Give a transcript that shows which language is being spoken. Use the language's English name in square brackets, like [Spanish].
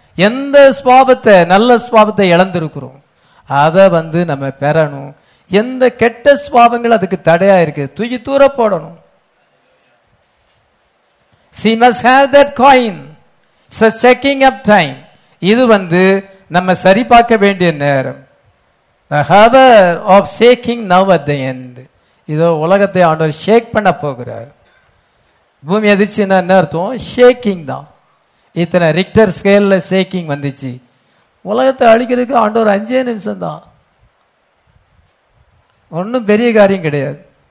[Tamil] எந்த ஸ்வாபத்தை, நல்ல ஸ்வாபத்தை இழந்திருக்கிறோம் அதை வந்து நம்ம பெறணும். எந்த கெட்ட சுவாபங்கள் அதுக்கு தடையா இருக்கு, தூக்கி தூர போடணும். [English] She must have that coin. It's a checking up time. [Tamil] இது வந்து நம்ம சரிபார்க்க வேண்டிய நேரம். [English] The hour of shaking now at the end. [Tamil] இதோ உலகத்தை ஆண்டவர் ஷேக் பண்ண போகிறார். பூமி அதிர்ச்சினா என்ன அர்த்தம்? ஷேக்கிங் தான். இத்தனை ரிக்டர் ஸ்கேல்ல ஷேக்கிங் வந்துச்சு. உலகத்தை அழிக்கிறதுக்கு ஆண்டவர் 5 நிமிஷம் தான், ஒன்றும் பெரிய காரியம் கிடையாது.